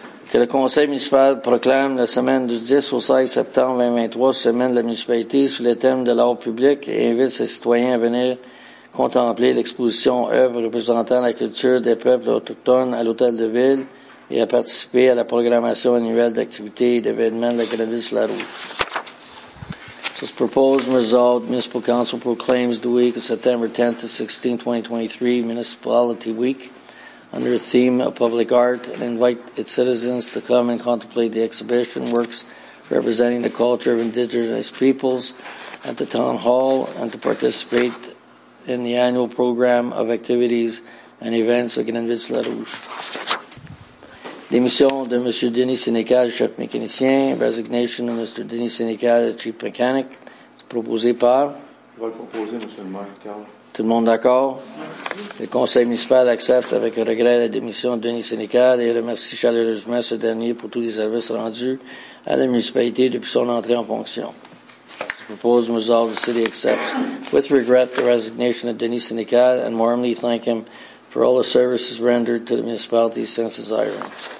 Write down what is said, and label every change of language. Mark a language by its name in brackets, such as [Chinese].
[French] Que le conseil municipal proclame la semaine du 10 au 16 septembre 2023, semaine de la municipalité, sous le thème de l'art public, et invite ses citoyens à venir contempler l'exposition œuvre représentant la culture des peuples autochtones à l'hôtel de ville et à participer à la programmation annuelle d'activités et d'événements de la Grenville-sur-la-Rouge. [English] This proposed and resolved Municipal Council proclaims the week of September 10th to 16th, 2023, Municipality Week, under the theme of public art, and invite its citizens to come and contemplate the exhibition works representing the culture of Indigenous peoples at the Town Hall and to participate in the annual program of activities and events of Grenville-sur-la-Rouge. [French] Démission de M. Denis Sénécal, chef mécanicien. [English] Resignation [French] de M. Denis Sénécal, [English] chief mechanic. [French] C'est proposé par? Je vais le proposer, M. le maire, Carl. Tout le monde d'accord? Le conseil municipal accepte avec regret la démission de Denis Sénécal et remercie chaleureusement ce dernier pour tous les services rendus à la municipalité depuis son entrée en fonction. [English] Je propose and resolve the city accepts with regret the resignation of Denis Sénécal and warmly thank him for all the services rendered to the municipality since his hiring.